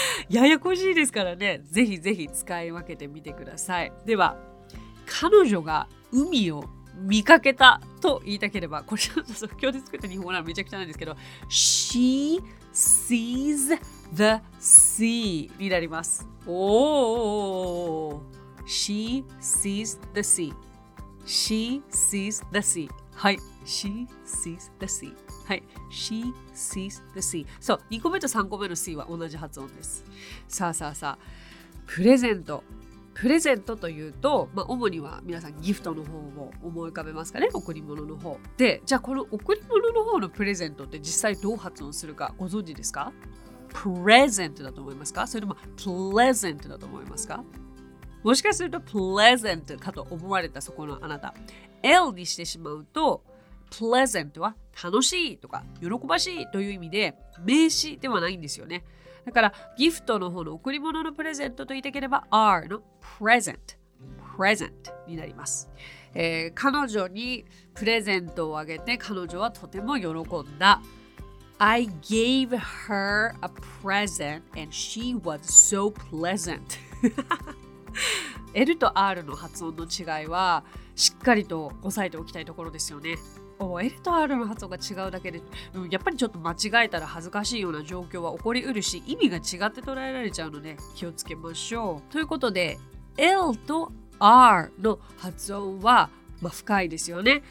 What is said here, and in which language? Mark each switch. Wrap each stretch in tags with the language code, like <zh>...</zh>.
<ja>ややこしいですからね。ぜひぜひ使い分けてみてください。では、彼女が海を見かけたと言いたければ、これ即興で作った日本語ならめちゃくちゃなんですけど、</ja> <en>She sees the sea</en> <ja>になります。</ja> <en>おお、She sees the sea。 She sees the sea。 はい、She sees the sea。はい、She sees the sea。</en> <ja>そう、2個目と3個目の C は同じ発音です。さあさあさあ、プレゼント、プレゼントというと、まあ、主には皆さんギフトの方を思い浮かべますかね、贈り物の方で。じゃあこの贈り物の方のプレゼントって実際どう発音するかご存知ですか？プレゼントだと思いますか、それともプレゼントだと思いますか？もしかするとプレゼントかと思われたそこのあなた、 L にしてしまうとプレゼントは楽しいとか喜ばしいという意味で、名詞ではないんですよね。だからギフトの方の贈り物のプレゼントと言いたければ R のプレゼント、プレゼントになります。彼女にプレゼントをあげて彼女はとても喜んだ。</ja> <en>I gave her a present and she was so pleasant。</en> <ja>L と R の発音の違いはしっかりと押さえておきたいところですよね。 L と R の発音が違うだけで、やっぱりちょっと間違えたら恥ずかしいような状況は起こりうるし、意味が違って捉えられちゃうので気をつけましょう。ということで L と R の発音は、まあ、深いですよね。</ja>